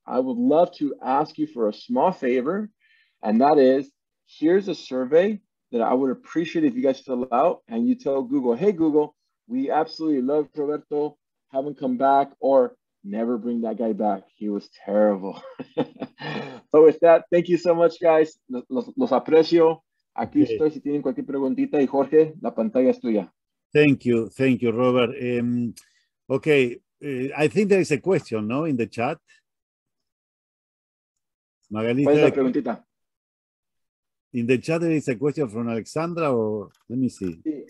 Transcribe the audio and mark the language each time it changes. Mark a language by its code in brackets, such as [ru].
[en] I would love to ask you for a small favor. And that is, here's a survey that I would appreciate if you guys fill out. And you tell Google, hey, Google, we absolutely love Roberto. Have him come back. Or never bring that guy back. He was terrible. So with that, thank you so much, guys. [es] Los aprecio. Aquí estoy si tienen cualquier preguntita. Y Jorge, la pantalla es tuya. [en] Thank you. Thank you, Robert. Okay. I think there is a question, no, in the chat. [es] Magalita. ¿Cuál es la preguntita? [en] In the chat, there is a question from Alexandra, or let me see.